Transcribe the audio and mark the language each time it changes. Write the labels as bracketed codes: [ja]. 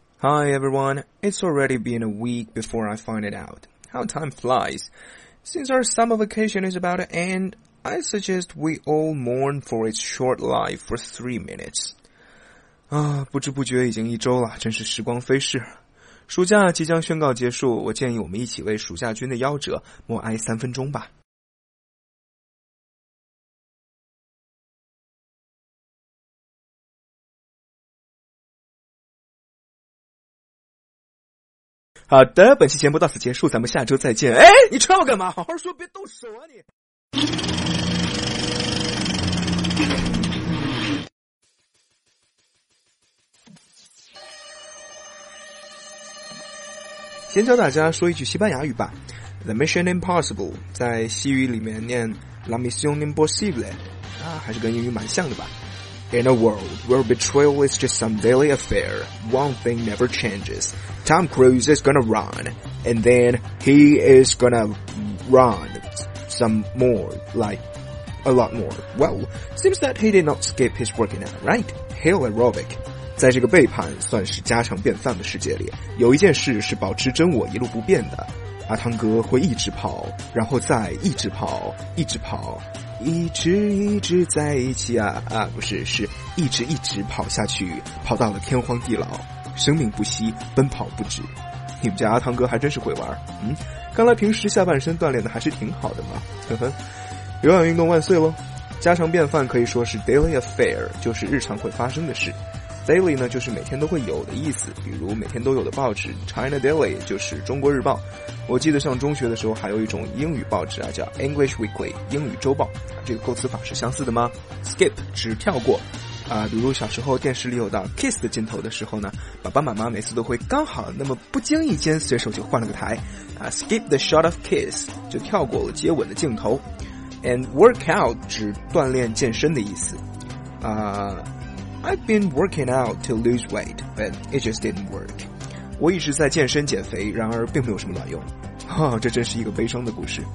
[en] Hi everyone, it's already been a week before I find it out. How time flies. Since our summer vacation is about to end, I suggest we all mourn for its short life for 3 minutes. [zh] 啊，不知不觉已经一周了，真是时光飞逝。暑假即将宣告结束，我建议我们一起为暑假君的夭折默哀3分钟吧。好的，本期节目到此结束，咱们下周再见。哎，你踹我干嘛？好好说，别动手啊你！先教大家说一句西班牙语吧 ，The Mission Impossible 在西语里面念 [es] La Misión Imposible， [zh] 啊，还是跟英语蛮像的吧。 [en] In a world where betrayal is just some daily affair, one thing never changes. Tom Cruise is gonna run, and then he is gonna run some more, like a lot more. Well, seems that he did not skip his working out, right? Hell aerobic. [zh] 在这个背叛算是家常便饭的世界里，有一件事是保持真我一路不变的。阿汤哥会一直跑，然后再一直跑，一直跑。一直一直在一起啊，不是，是一直一直跑下去，跑到了天荒地老，生命不息，奔跑不止。你们家阿汤哥还真是会玩，嗯，看来平时下半身锻炼的还是挺好的嘛，呵呵，有氧运动万岁咯。家常便饭可以说是 daily affair， 就是日常会发生的事。 daily 呢就是每天都会有的意思，比如每天都有的报纸 China Daily 就是中国日报。我记得上中学的时候还有一种英语报纸啊，叫 English Weekly 英语周报，这个构词法是相似的吗？ Skip 只跳过啊，比如小时候电视里有到 Kiss 的镜头的时候呢，爸爸妈妈每次都会刚好那么不经意间随手就换了个台啊， [en] Skip the shot of Kiss [zh] 就跳过了接吻的镜头。 [en] And workout [zh] 指锻炼健身的意思啊， [en] I've been working out to lose weight but it just didn't work。我一直在健身减肥，然而并没有什么卵用。哈、哦，这真是一个悲伤的故事。